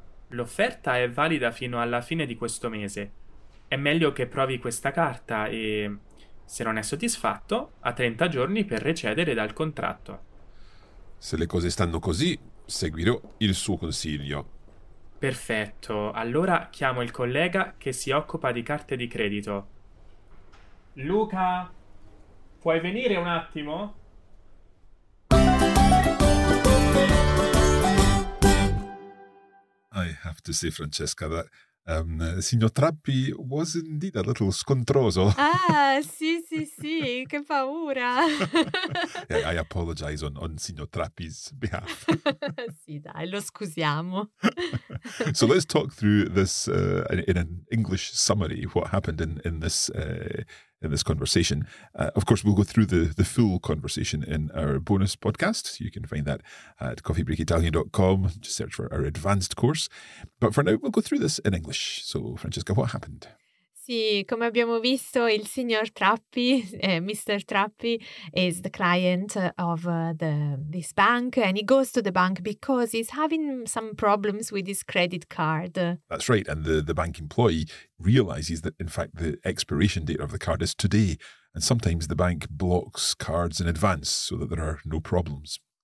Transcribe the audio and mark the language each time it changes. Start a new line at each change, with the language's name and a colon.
Italian: L'offerta è valida fino alla fine di questo mese. È meglio che provi questa carta e, se non è soddisfatto, ha 30 giorni per recedere dal contratto. Se le cose stanno così, seguirò il suo consiglio. Perfetto, allora chiamo il collega che si occupa di carte di credito. Luca, puoi venire un attimo?
English: I have to say, Francesca, that Signor Trappi was indeed a little scontroso.
Italian: Ah, sì, che paura.
English: I apologize on Signor Trappi's behalf.
Italian: Sì, dai, lo scusiamo.
English: So let's talk through this in an English summary, what happened in this conversation. Of course, we'll go through the full conversation in our bonus podcast. You can find that at coffeebreakitalian.com. Just search for our advanced course. But for now, we'll go through this in English. So, Francesca, what happened?
Italian: Sì, come abbiamo visto, il signor Trappi, Mr.
English: Trappi, is the client of this bank, and he goes to the bank because he's having some problems with his credit card. That's right. And the bank employee realizes that, in fact, the expiration date of the card is today. And sometimes the bank blocks cards in advance so that there are no problems.